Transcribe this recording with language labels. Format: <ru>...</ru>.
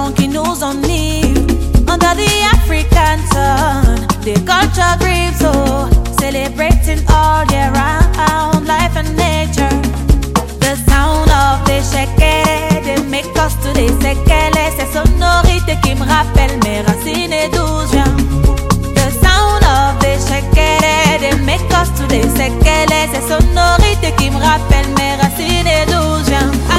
<en>criminals on leave under the African sun. The culture grieves, oh, celebrating all year round life and nature. The sound of the shekele, they make us to the sekele.</en> <fr>C'est sonorité qui me rappelle mes racines et d'où je viens.</fr> <en>The sound of the shekele, they make us to the sekele.</en> <fr>C'est sonorité qui me rappelle mes racines et d'où je viens.</fr>